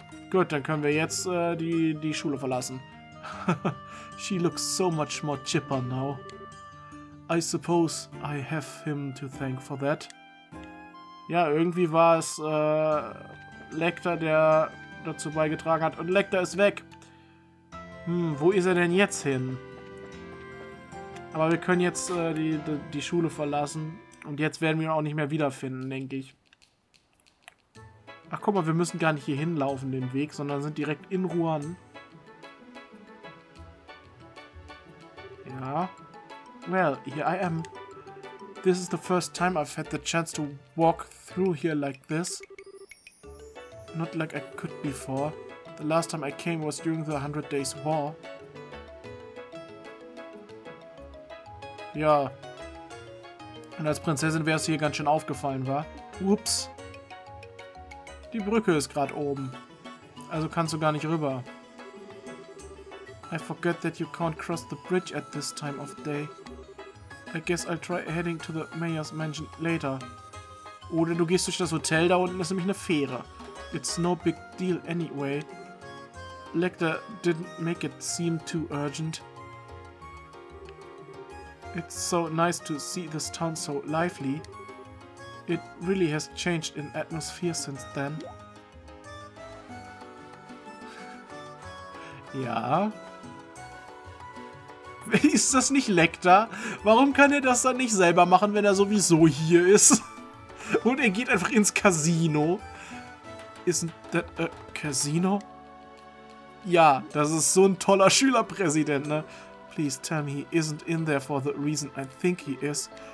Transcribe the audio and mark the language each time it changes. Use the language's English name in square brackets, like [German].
[German] Gut, dann können wir jetzt die Schule verlassen. [English] She looks so much more chipper now. I suppose I have him to thank for that. [German] Ja, irgendwie war es Lecter, der dazu beigetragen hat. Und Lecter ist weg. Wo ist er denn jetzt hin? Aber wir können jetzt die Schule verlassen. Und jetzt werden wir ihn auch nicht mehr wiederfinden, denke ich. Ach, guck mal, wir müssen gar nicht hier hinlaufen, den Weg, sondern sind direkt in Rouen. [English] Ja. Well, here I am. This is the first time I've had the chance to walk through here like this. Not like I could before. The last time I came was during the 100 Days War. Ja. [German] Und als Prinzessin wäre es hier ganz schön aufgefallen, wa? Ups. Die Brücke ist gerade oben. Also kannst du gar nicht rüber. [English] I forget that you can't cross the bridge at this time of day. I guess I'll try heading to the mayor's mansion later. [German] Oder du gehst durch das Hotel, da unten ist nämlich eine Fähre. [English] It's no big deal anyway. Lecter didn't make it seem too urgent. It's so nice to see this town so lively. It really has changed in atmosphere since then. Ja. [German] Ist das nicht Lecter? Warum kann er das dann nicht selber machen, wenn er sowieso hier ist? Und er geht einfach ins Casino. [English] Isn't that a casino? [German] Ja, das ist so ein toller Schülerpräsident, ne? [English] Please tell me he isn't in there for the reason I think he is.